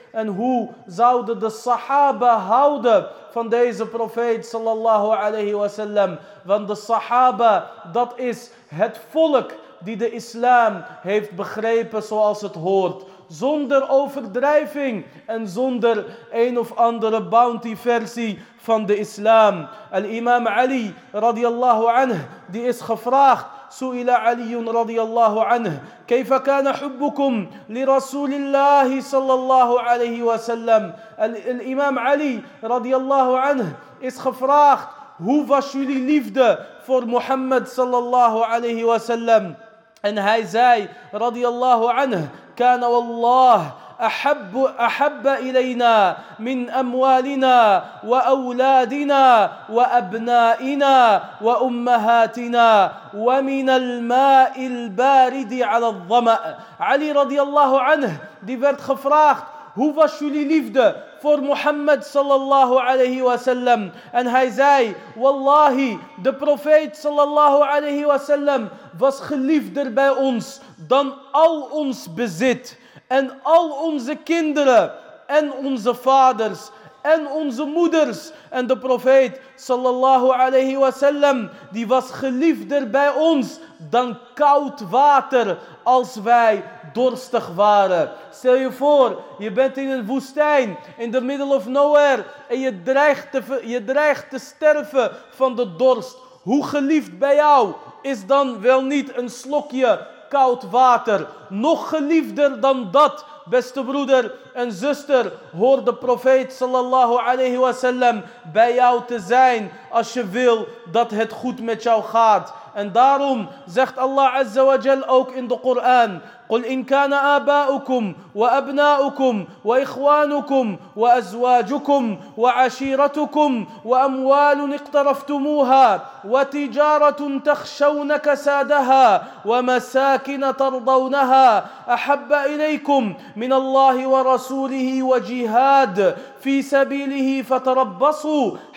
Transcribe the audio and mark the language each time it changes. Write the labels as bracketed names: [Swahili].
[Dutch] En hoe zouden de sahaba houden van deze profeet sallallahu alayhi wa sallam? Want de sahaba, dat is het volk die de islam heeft begrepen zoals het hoort. Zonder overdrijving en zonder een of andere bounty versie van de islam. [Arabic] Al-imam Ali radiyallahu anhu, [Dutch] die is gevraagd: [Arabic] سئل علي رضي الله عنه كيف كان حبكم لرسول الله صلى الله عليه وسلم. الإمام علي رضي الله عنه [Dutch] is gevraagd: hoe was jullie liefde voor Mohammed [Arabic] صلى الله عليه وسلم؟ [Dutch] En hij zei [Arabic] رضي الله عنه: كان والله أحب إلينا من أموالنا وأولادنا وأبنائنا وأمهاتنا ومن الماء البارد على الظمأ. [Dutch] علي رضي الله عنه دي werd gevraagd: hoe was jullie liefde voor Mohammed sallallahu alayhi wa sallam? En hij zei: wallahi, de profeet sallallahu alayhi wa sallam was geliefder bij ons dan al ons bezit en al onze kinderen en onze vaders en onze moeders. En de profeet sallallahu alayhi wa sallam, die was geliefder bij ons dan koud water als wij dorstig waren. Stel je voor, je bent in een woestijn [English] in the middle of nowhere [Dutch] en je dreigt te sterven van de dorst. Hoe geliefd bij jou is dan wel niet een slokje koud water? Nog geliefder dan dat, beste broeder en zuster, hoort de profeet sallallahu alayhi wa sallam bij jou te zijn als je wil dat het goed met jou gaat. En daarom zegt Allah azza wa jal ook in de Koran: [Arabic] قل إن كان آباؤكم وأبناؤكم وإخوانكم وأزواجكم وعشيرتكم وأموال اقترفتموها وتجارة تخشون كسادها ومساكن ترضونها أحب إليكم من الله ورسوله وجهاد في سبيله فتربصوا